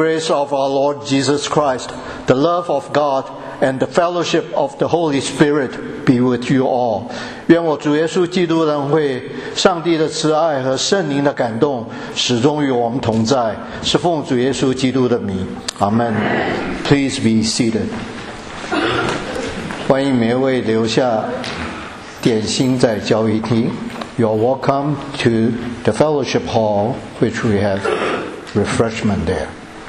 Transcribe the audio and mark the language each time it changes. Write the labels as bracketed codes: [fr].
[en] Of our Lord Jesus Christ, the love of God, and the fellowship of the Holy Spirit be with you all. [zh] 愿我主耶稣基督的恩惠、上帝的慈爱和圣灵的感动始终与我们同在。是奉主耶稣基督的名， Amen. [en] Please be seated. [zh] 欢迎每一位留下点心在交易厅。 [en] You are welcome to the fellowship hall, which we have refreshment there.